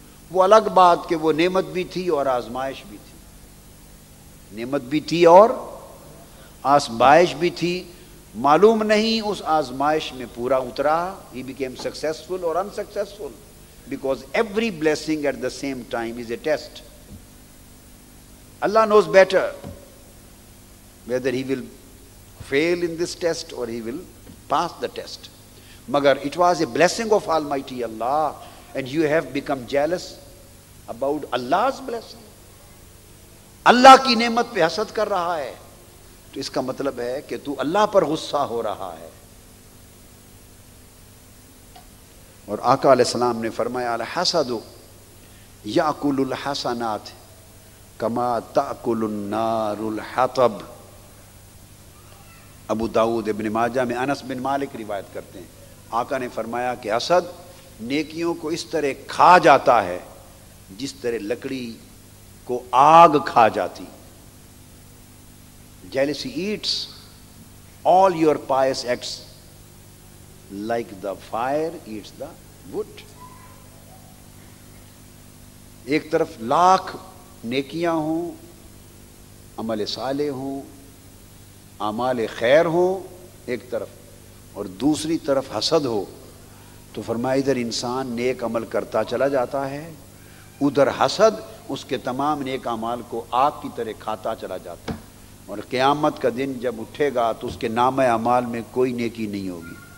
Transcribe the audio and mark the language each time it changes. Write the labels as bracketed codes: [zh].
[ur] وہ الگ بات کہ وہ نعمت بھی تھی اور آزمائش بھی تھی، نعمت بھی تھی اور آزمائش بھی تھی، معلوم نہیں اس آزمائش میں پورا اترا، [en] He became successful or unsuccessful, because every blessing at the same time is a test. Allah knows better whether he will fail in this test or he will pass the test, [ur] مگر [en] It was a blessing of almighty Allah. And you have become jealous about Allah's blessing. [ur] Allah کی نعمت پہ حسد کر رہا ہے تو اس کا مطلب ہے کہ تو اللہ پر غصہ ہو رہا ہے. اور آقا علیہ السلام نے فرمایا [ar] الحسد یاکل الحسنات کما تاکل النار الحطب. [ur] ابو داؤد ابن ماجہ میں انس بن مالک روایت کرتے ہیں، آقا نے فرمایا کہ حسد نیکیوں کو اس طرح کھا جاتا ہے جس طرح لکڑی کو آگ کھا جاتی. [en] Jealousy eats all your pious acts like the fire eats the wood. [ur] ایک طرف لاکھ نیکیاں ہوں، عمل صالح ہوں، اعمال خیر ہوں ایک طرف، اور دوسری طرف حسد ہو، تو فرمایا ادھر انسان نیک عمل کرتا چلا جاتا ہے، ادھر حسد اس کے تمام نیک اعمال کو آگ کی طرح کھاتا چلا جاتا ہے، اور قیامت کا دن جب اٹھے گا تو اس کے نام اعمال میں کوئی نیکی نہیں ہوگی.